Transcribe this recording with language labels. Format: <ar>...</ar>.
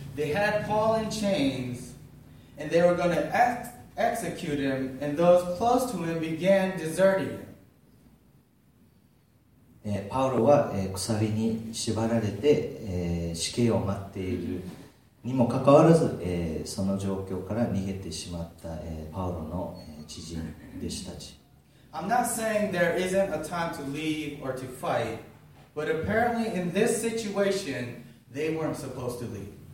<en>They had Paul in chains, and they were going to execute him, and those close to him began deserting him.</en> <ja>パウロは、鎖に縛られて、死刑を待っているにもかかわらず、その状況から逃げてしまった、パウロの、知人弟子たち。</ja> <en>I'm not saying there isn't a time to leave or to fight, but apparently in this situation, they weren't supposed to leave.</en>